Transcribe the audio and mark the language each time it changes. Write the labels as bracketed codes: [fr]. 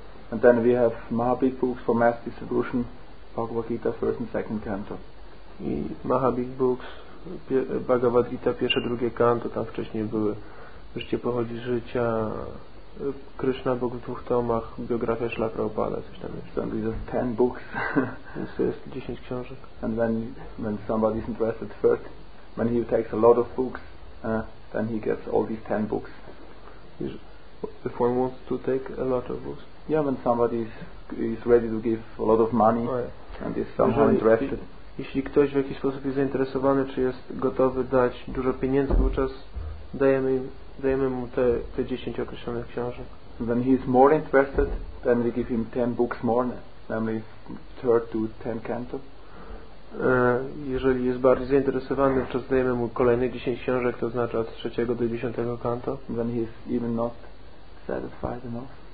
[en] And then we have Maha Big Books for mass distribution. Bhagavad Gita, first and second canto. [pl] I Maha Big Books, Bhagavad Gita, pierwsze, drugie canto, tam wcześniej były Życie pochodzi z życia, Krishna Bóg w dwóch tomach, biografia Śla Prabhupada, coś tam jest. [en] And these are 10 books. [pl] Więc to jest 10 książek. [en] And then when somebody is interested first, when he takes a lot of books, then he gets all these 10 books. If one wants to take a lot of books. Yeah, when somebody is ready to give a lot of money and is somehow interested. [pl] Jeśli ktoś w jakiś sposób jest zainteresowany, czy jest gotowy dać dużo pieniędzy, wówczas dajemy mu te 10 określonych książek. [en] When he is more interested, then we give him 10 books more, namely third to 10 canto. [pl] Jeżeli jest bardziej zainteresowany, wówczas dajemy mu kolejne 10 książek, to znaczy od 3 do 10 canto. [en] When he is even not satisfied enough.